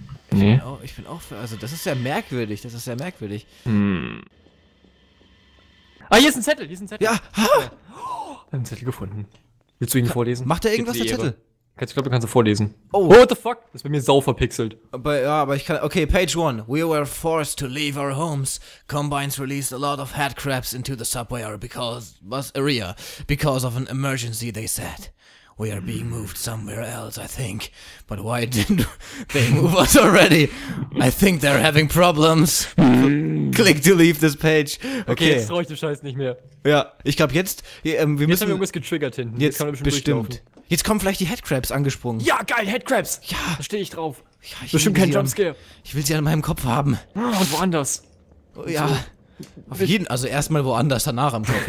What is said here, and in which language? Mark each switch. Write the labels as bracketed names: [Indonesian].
[German] Nee. Das ist ja merkwürdig. Ah, hier ist ein Zettel. Ja. Wir haben einen Zettel gefunden. Willst du ihn vorlesen? Macht er irgendwas, der Zettel? Ich glaube, du kannst es vorlesen. [English] Oh, what the fuck? [German] Das ist bei mir sau verpixelt. Aber ich kann. Okay, [English] page 1. We were forced to leave our homes. Combines released a lot of head crabs into the subway area. Because of an emergency, they said. We are being moved somewhere else, I think. But why didn't they move us already? I think they're having problems. Click to leave this page. [German] Okay, jetzt traue ich den Scheiß nicht mehr. Ja, ich glaube, jetzt. Wir müssen, haben wir irgendwas getriggert hinten. Jetzt kann man bestimmt. Jetzt kommen vielleicht die Headcrabs angesprungen. Ja, geil, Headcrabs! Ja! Da stehe ich drauf. Ja, bestimmt kein Jumpscare. Ich will sie an meinem Kopf haben. Und woanders. Oh, ja. So. Auf jeden, also erstmal woanders, danach am Kopf.